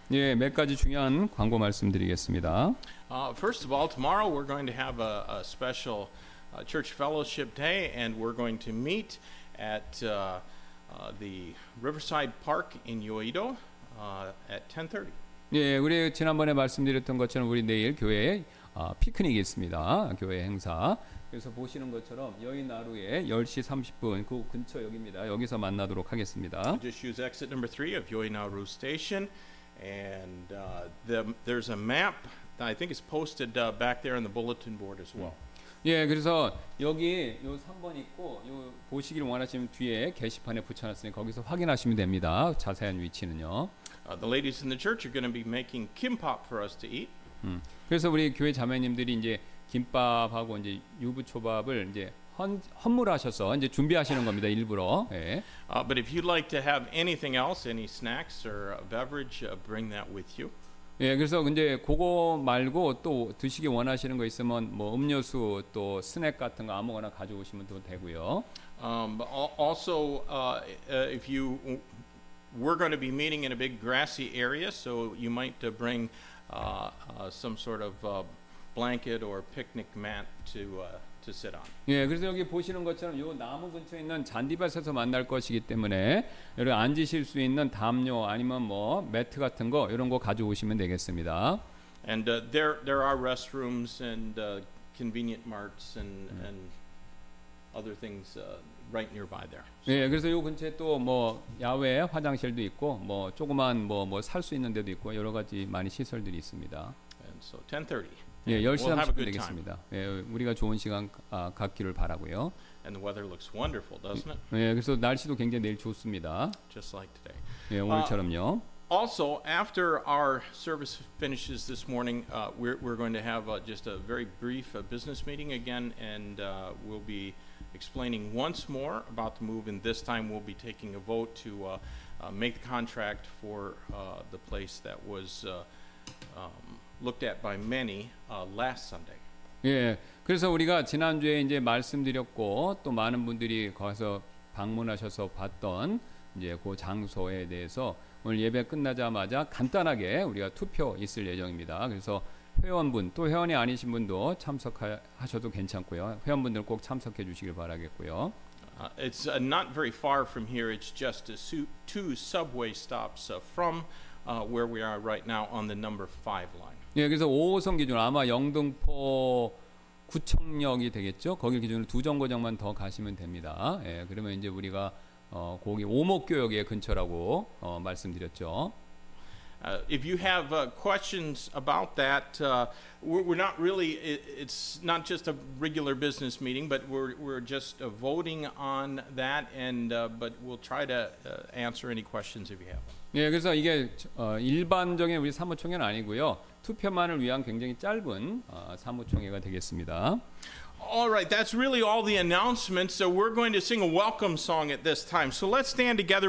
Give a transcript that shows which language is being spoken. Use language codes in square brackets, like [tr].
[ko] 예, 몇 가지 중요한 광고 말씀드리겠습니다. [en] First of all, tomorrow we're going to have a special church fellowship day, and we're going to meet at the Riverside Park in Yoido at 10:30. [ko] 예, 우리 지난번에 말씀드렸던 것처럼 우리 내일 교회에 피크닉이 있습니다. 교회 행사. 그래서 보시는 것처럼 여의나루에 10시 30분 그 근처 여기입니다. 여기서 만나도록 하겠습니다. [en] I just use exit number 3 of Yoinaru Station, and there's a map that I think is posted back there on the bulletin board as well. [ko] 예, 그래서 여기 요 3번 있고 요 보시기를 원하시면 뒤에 게시판에 붙여놨으니 거기서 확인하시면 됩니다. 자세한 위치는요. [en] The ladies in the church are going to be making kimbap for us to eat. [ko] 그래서 우리 교회 자매님들이 이제 김밥하고 이제 유부초밥을 이제 헌물하셔서 이제 준비하시는 겁니다. 일부러. 예. [en] But if you'd like to have anything else, any snacks or a beverage, bring that with you. [ko] 예, 그래서 이제 그거 말고 또 드시기 원하시는 거 있으면 뭐 음료수 또 스낵 같은 거 아무거나 가져오시면 또 되고요. [en] Also, if you we're going to be meeting in a big grassy area, so you might bring some sort of blanket or picnic mat to sit on. [ko] 예, 그래서 여기 보시는 것처럼 요 나무 근처에 있는 잔디밭에서 만날 것이기 때문에 여러 앉으실 수 있는 담요 아니면 뭐 매트 같은 거 이런 거 가져오시면 되겠습니다. [en] And there are restrooms and convenient marts and other things right nearby there. So. [ko] 예, 그래서 요 근처에 또 뭐 야외 화장실도 있고 뭐 조그만 뭐 뭐 살 수 있는 데도 있고 여러 가지 많이 시설들이 있습니다. [en] And so 10:30. [ko] 예, 10시 30분 되겠습니다. 예, 우리가 좋은 시간 갖기를 바라고요. [en] And the weather looks wonderful, doesn't it? [ko] 예, 그래서 날씨도 굉장히 내일 좋습니다. [en] Just like today. [ko] 예, 오늘처럼요. [en] Also, after our service finishes this morning, we're going to have just a very brief business meeting again, and we'll be explaining once more about the move, and this time we'll be taking a vote to make the contract for the place that was looked at by many last Sunday. [ko] 예, 그래서 우리가 지난주에 이제 말씀드렸고 또 많은 분들이 거기서 방문하셔서 봤던 이제 그 장소에 대해서 오늘 예배 끝나자마자 간단하게 우리가 투표 있을 예정입니다. 그래서 회원분 또 회원이 아니신 분도 참석하셔도 괜찮고요. 회원분들 꼭 참석해 주시길 바라겠고요. [en] It's not very far from here. It's just two subway stops from where we are right now on the number 5 line. [ko] 예, 그래서 5호선 기준 아마 영등포 구청역이 되겠죠. 거기를 기준으로 두 정거장만 더 가시면 됩니다. 예, 그러면 이제 우리가 거기 오목교역에 근처라고 말씀드렸죠. [en] If you have questions about that, we're not really, it's not just a regular business meeting, but we're just voting on that, and but we'll try to answer any questions if you have. [ko] 네, 그래서 이게 일반적인 우리 사무총회는 아니고요. 투표만을 위한 굉장히 짧은 사무총회가 되겠습니다. [en] All right, that's really all the announcements. So we're going to sing a welcome song at this time. So let's stand together.